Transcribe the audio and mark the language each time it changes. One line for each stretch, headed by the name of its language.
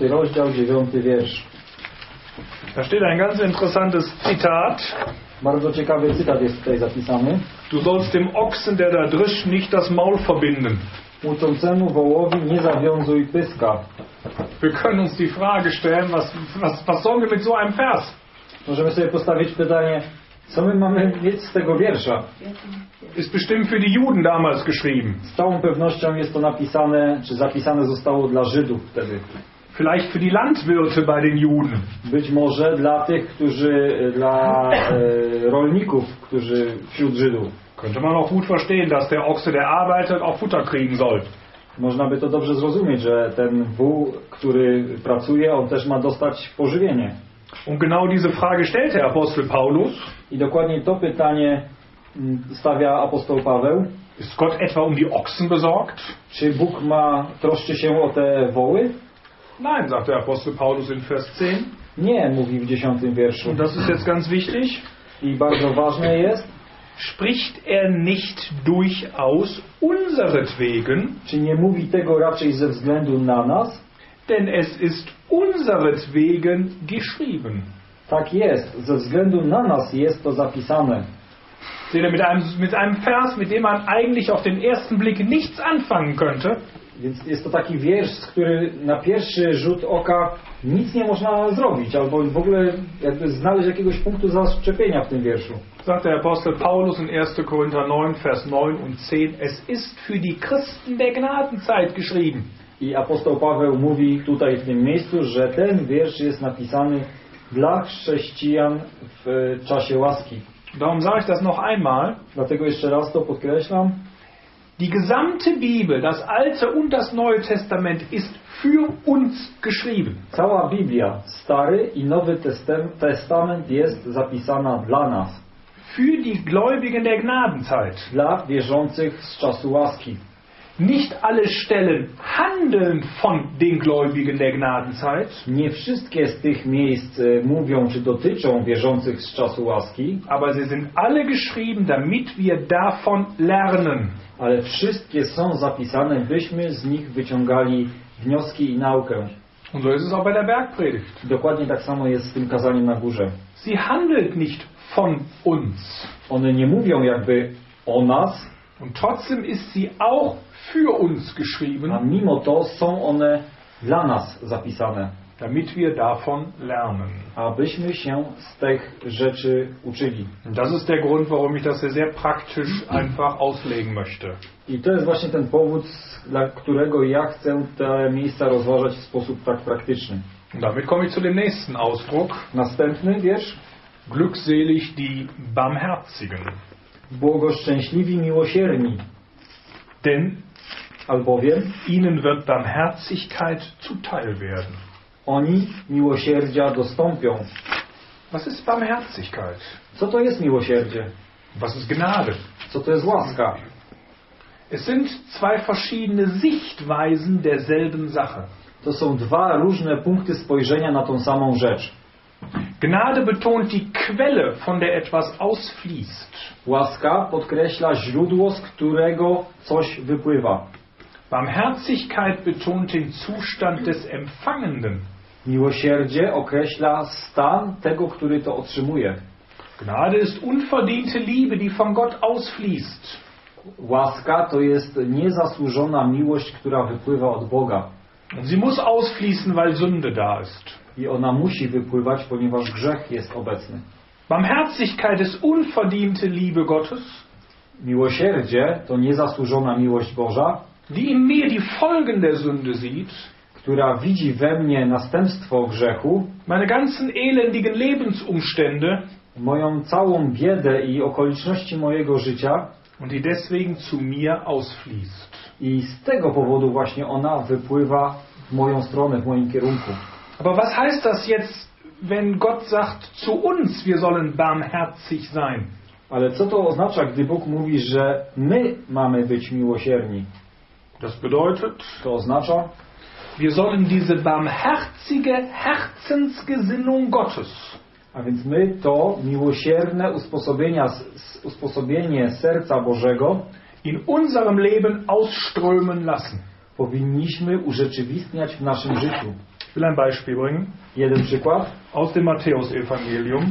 Polish: rozdział, 9. wiersz.
German: Da steht ein ganz interessantes Zitat.
Polish: Bardzo ciekawy cytat jest tutaj zapisany.
German: Du sollst dem Ochsen, der da drisch, nicht das Maul verbinden.
Polish: Uczącemu wołowi nie zawiązuj pyska.
German: Wir können uns die Frage stellen, was sollen wir mit so einem Vers?
Polish: Możemy sobie postawić pytanie, co my mamy mieć z tego wiersza?
German: Ist bestimmt für die Juden damals geschrieben.
Polish: Z całą pewnością jest to napisane, czy zapisane zostało dla Żydów wtedy.
German: Vielleicht für die Landwirte bei den Juden.
Polish: Być może dla tych, którzy dla rolników, którzy wśród Żydów.
German: Könnte man auch gut verstehen, dass der Ochse, der arbeitet, auch Futter kriegen soll.
Polish: Można by to dobrze zrozumieć, że ten wół, który pracuje, on też ma dostać pożywienie.
German: Und genau diese Frage stellte Apostel Paulus.
Polish: I dokładnie to pytanie stawia apostoł Paweł.
German: Ist Gott etwa um die Ochsen besorgt?
Polish: Czy Bóg ma troszczy się o te woły?
German: Nein, sagt der Apostel Paulus in Vers 10.
Polish: Nie, mówi w 10. wierszu.
German: Und das ist jetzt ganz wichtig.
Polish: I bardzo ważne jest.
German: Spricht er nicht durchaus unseretwegen?
Polish: Czy nie mówi tego raczej ze względu na nas?
German: Denn es ist unseretwegen geschrieben.
Polish: Tak jest, ze względu na nas jest to zapisane.
German: Seht ihr, mit einem Vers, mit dem man eigentlich auf den ersten Blick nichts anfangen könnte.
Polish: Więc jest to taki wiersz, który na pierwszy rzut oka nic nie można zrobić, albo w ogóle jakby znaleźć jakiegoś punktu zaszczepienia w tym wierszu.
German: Sagt der Apostel Paulus in 1. Korinther 9, Vers 9 und 10, es ist für die Christen der Gnadenzeit geschrieben.
Polish: I apostoł Paweł mówi tutaj w tym miejscu, że ten wiersz jest napisany dla chrześcijan w czasie łaski.
German: Darum sage ich das noch einmal.
Polish: Dlatego jeszcze raz to podkreślam.
German: Die gesamte Bibel, das Alte und das Neue Testament, ist für uns geschrieben.
Polish: Cała Biblia, Stary i Nowy Testament, jest zapisana dla nas.
German: Für die Gläubigen der Gnadenzeit.
Polish: Dla wierzących z czasu łaski.
German: Nicht alle Stellen handeln von den Gläubigen der Gnadenzeit.
Polish: Nie wszystkie z tych miejsc mówią czy dotyczą wierzących z czasu łaski.
German: Aber sie sind alle geschrieben, damit wir davon lernen.
Polish: Ale wszystkie są zapisane, byśmy z nich wyciągali wnioski i naukę.
German: Und so ist es auch bei der Bergpredigt.
Polish: Dokładnie tak samo jest z tym kazaniem na górze.
German: Sie handelt nicht von uns.
Polish: One nie mówią jakby o nas.
German: Und trotzdem ist sie auch für uns geschrieben.
Polish: A mimo to są one dla nas zapisane.
German: Damit wir davon lernen.
Polish: Abyśmy się z tych rzeczy uczyli.
German: Das ist der Grund, warum ich das hier sehr praktisch einfach auslegen möchte.
Polish: I to jest właśnie ten powód, dla którego ja chcę te miejsca rozważać w sposób tak praktyczny.
German: Und damit komme ich zu dem nächsten Ausdruck.
Polish: Następny wiersz.
German: Glückselig die Barmherzigen.
Polish: Błogoszczęśliwi miłosierni.
German: Denn
Polish: albowiem
German: ihnen wird Barmherzigkeit zuteil werden.
Polish: Oni miłosierdzia dostąpią.
German: Was ist Barmherzigkeit?
Polish: Co to jest miłosierdzie?
German: Was ist Gnade?
Polish: Co to jest łaska?
German: Es sind zwei verschiedene Sichtweisen derselben Sache.
Polish: To są dwa różne punkty spojrzenia na tą samą rzecz.
German: Gnade betont die Quelle, von der etwas ausfließt.
Polish: Łaska podkreśla źródło, z którego coś wypływa.
German: Barmherzigkeit betont den Zustand des Empfangenden.
Polish: Miłosierdzie określa stan tego, który to otrzymuje.
German: Gnade ist unverdiente Liebe, die von Gott ausfließt.
Polish: Łaska to jest niezasłużona miłość, która wypływa od Boga.
German: Sie muss ausfließen, weil Sünde da ist.
Polish: I ona musi wypływać, ponieważ grzech jest obecny.
German: Barmherzigkeit ist unverdiente Liebe Gottes.
Polish: Miłosierdzie to niezasłużona miłość Boża.
German: Die in mir die Folgen der Sünde sieht,
Polish: która widzi we mnie następstwo grzechu,
German: meine ganzen elendigen Lebensumstände,
Polish: moją całą biedę i okoliczności mojego życia,
German: und die deswegen zu mir ausfließt.
Polish: I z tego powodu właśnie ona wypływa w moją stronę, w moim kierunku.
German: Aber was heißt das jetzt, wenn Gott sagt zu uns, wir sollen barmherzig sein?
Polish: Ale co to oznacza, gdy Bóg mówi, że my mamy być miłosierni?
German: Das bedeutet,
Polish: to oznacza,
German: wir sollen diese barmherzige Herzensgesinnung Gottes.
Polish: A więc my to miłosierne usposobienie serca Bożego
German: in unserem Leben ausströmen lassen.
Polish: Powinniśmy urzeczywistniać w naszym życiu.
German: Will ein Beispiel bringen.
Polish: Jeden przykład.
German: Aus dem Matthäus-Evangelium.